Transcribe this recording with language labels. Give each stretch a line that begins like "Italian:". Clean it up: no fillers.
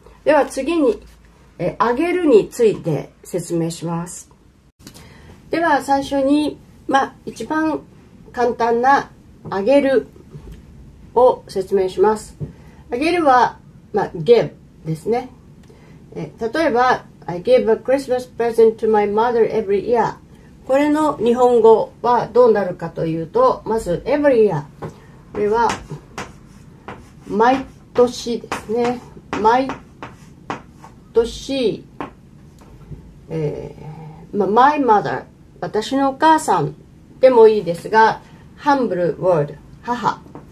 Japanese: では次に、あげるについて説明します。では最初に、まあ、一番簡単なあげるを説明します。あげるは、まあ、give ですね。例えば、
English: I give a Christmas present to my mother every year.
Japanese: これの日本語はどうなるかというと、まず
English: every year。
Japanese: これは、毎年ですね。毎年、
English: my mother、
Japanese: 私のお母さんでもいいですが、
English: humble word、
Japanese: 母。